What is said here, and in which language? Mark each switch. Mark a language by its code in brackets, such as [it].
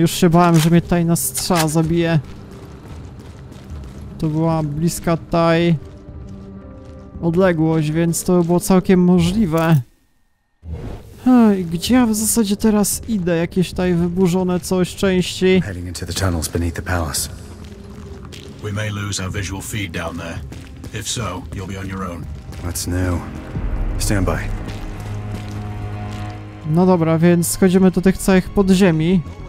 [pl] Już się bałem, że mnie tutaj na strzał zabije. To była bliska tutaj odległość, więc to było całkiem możliwe. Gdzie ja w zasadzie teraz idę? Jakieś tutaj wyburzone coś części. [en] Heading into the tunnels beneath the palace. We may lose our visual feed down there. If so, you'll be on your own. What's new? Stand by. [pl] No dobra, więc schodzimy do tych całych podziemi.